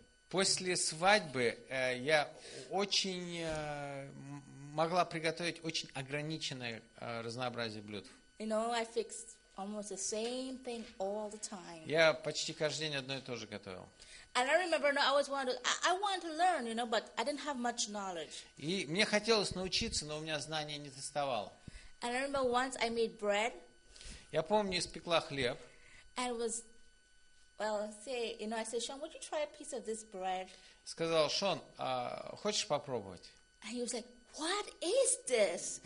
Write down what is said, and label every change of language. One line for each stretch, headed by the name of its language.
Russian: После свадьбы я очень могла приготовить очень ограниченное разнообразие блюд.
English: You know, I fixed almost the same thing all the time.
Russian: Я почти каждый день одно и то же готовил.
English: And I remember, I was wondering, I wanted to learn, you know, but I didn't have much knowledge.
Russian: И мне хотелось научиться, но у меня знания не доставало.
English: And I remember once I made bread.
Russian: Я помню, испекла хлеб.
English: And was, well, say, you know, I said, Sean, would you try a piece of this bread?
Russian: Сказал, Шон, хочешь попробовать?
English: And he was like, what is this?